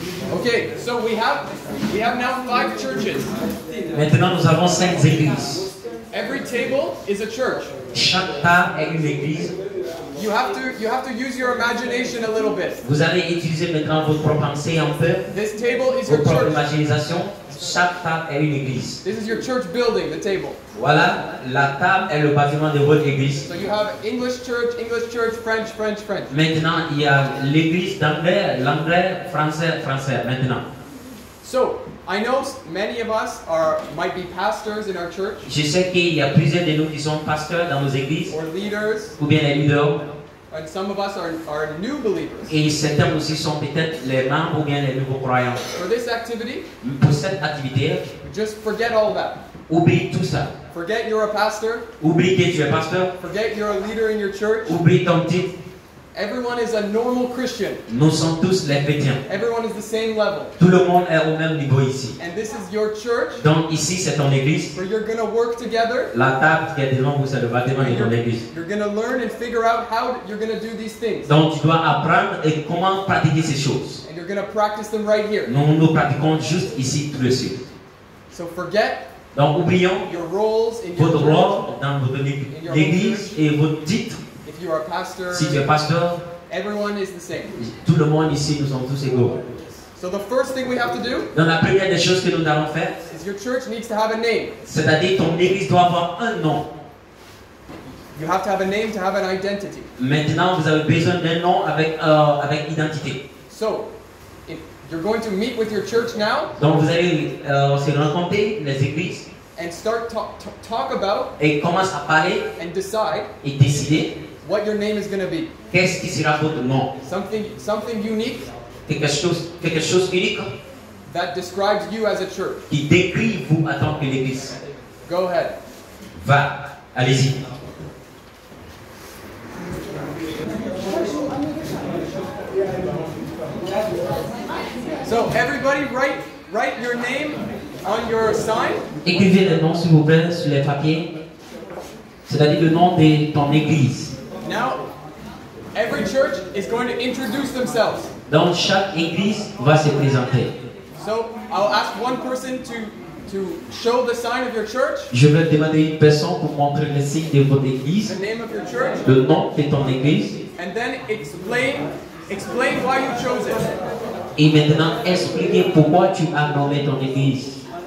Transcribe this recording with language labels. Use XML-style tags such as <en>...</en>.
<en>Okay, so we have now five churches.</en> <fr>Maintenant nous avons cinq églises.</fr> <en>Every table is a church.</en> <fr>Chaque table est une église.</fr> <en>You have to use your imagination a little bit.</en> <fr>Vous allez utiliser maintenant votre pensée un peu.</fr> <en>This table is</en> <fr>votre</fr> <en>your</en> <fr>imagination. Chaque table est une église.</fr> <en>This is your church building, the table.</en> <fr>Voilà, la table est le bâtiment de votre église.</fr> <en>So you have English church, French.</en> <fr>Maintenant, il y a l'église d'anglais, l'anglais, français, maintenant.</fr> <en>So, I know many of us might be pastors in our church.</en> <fr>Je sais qu'il y a plusieurs de nous qui sont pasteurs dans nos églises.</fr> <en>Or leaders.</en> <fr>Ou bien les leaders.</fr> <en>And some of us are new believers.</en> <fr>Et certains aussi sont peut-être les membres ou bien les nouveaux croyants.</fr> <en>For this activity,</en> <fr>pour cette activité,</fr> <en>just forget all that.</en> <fr>Oublie tout ça.</fr> <en>Forget you're a pastor.</en> <fr>Oublie que tu es pasteur.</fr> <en>Forget you're a leader in your church.</en> <fr>Oublie ton titre.</fr> <en>Everyone is a normal Christian.</en> <fr>Nous sommes tous les chrétiens.</fr> <en>Everyone is the same level.</en> <fr>Tout le monde est au même niveau ici.</fr> <en>And this is your church.</en> <fr>Donc ici c'est ton église.</fr> <en>Where you're going to work together.</en> <fr>La table qui est devant vous, c'est le bâtiment de ton église.</fr> <en>You're going to learn and figure out how you're going to do these things.</en> <fr>Donc tu dois apprendre et comment pratiquer ces choses.</fr> <en>And you're going to practice them right here.</en> <fr>Nous pratiquons juste ici tout de suite.</fr> <en>So forget.</en> <fr>Donc oublions</fr> <en>your roles in</en> <fr>votre</fr> <en>your</en> <fr>rôle dans votre église et votre titre.</fr> <en>If you are a pastor,</en> <fr>si tu es pasteur,</fr> <en>everyone is the same.</en> <fr>Tout le monde ici, nous sommes tous égaux.</fr> <en>So the first thing we have to do,</en> <fr>donc la première des choses que nous allons faire,</fr> <en>is your church needs to have a name.</en> <fr>C'est-à-dire ton église doit avoir un nom.</fr> <en>You have to have a name to have an identity.</en> <fr>Maintenant, vous avez besoin d'un nom avec avec identité.</fr> <en>So, if you're going to meet with your church now,</en> <fr>donc vous allez se rencontrer les églises.</fr> <en>And start talk about</en> <fr>et commence à parler</fr> <en>and decide</en> <fr>et décider</fr> <en>what your name is going to be.</en> <fr>Qu'est-ce qui sera votre nom?</fr> <en>Something unique.</en> <fr>Quelque chose unique</fr> <en>that describes you as a church.</en> <fr>Qui décrit vous en tant que l'église.</fr> <en>Go ahead.</en> <fr>Va, allez-y.</fr> <en>So everybody write your name on your sign.</en> <fr>Écrivez le nom s'il vous plaît sur les papiers. C'est-à-dire le nom de ton église.</fr> <en>Now, every church is going to introduce themselves.</en> <fr>Donc chaque église va se présenter.</fr> <en>So, I'll ask one person to show the sign of your church.</en> <fr>Je vais demander une personne pour montrer le signe de votre église.</fr> <en>The name of your church.</en> <fr>Le nom de ton église.</fr> <en>And then explain why you chose it.</en> <fr>Et maintenant, expliquez pourquoi tu as nommé ton église.</fr>